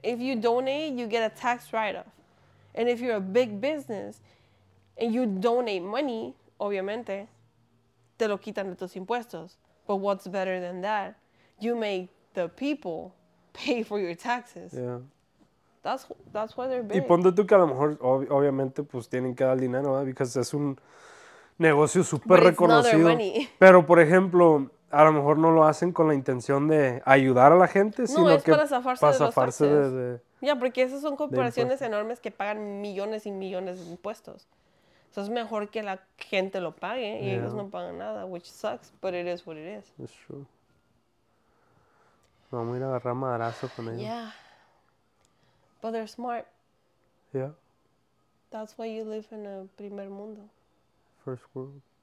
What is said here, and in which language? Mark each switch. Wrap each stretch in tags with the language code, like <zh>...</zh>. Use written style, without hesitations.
<en>If you donate, you get a tax write-off. And if you're a big business, and you donate money, obviamente,</en> <es>te lo quitan de tus impuestos.</es> <en>But what's better than that? You make the people pay for your taxes. Yeah. That's why they're big.</en> <es>Y ponte tú que a lo mejor, obviamente, pues tienen que dar dinero, ¿verdad? Porque es un negocio súper reconocido.</es> <en>Not their money.</en> <es>Pero, por ejemplo, a lo mejor no lo hacen con la intención de ayudar a la gente, no, sino es que para zafarse de los taxes. De, yeah, porque esas son corporaciones enormes que pagan millones y millones de impuestos. So es mejor que la gente lo pague y</es> <en>yeah.</en> <es>Ellos no pagan nada,</es> <en>which sucks, but it is what it is. That's true.</en> <es>Vamos a ir a agarrar madrazo con ellos.</es> <en>Yeah. But they're smart. Yeah. That's why you live in a</en> <es>primer mundo.</es> <en>First world.</en>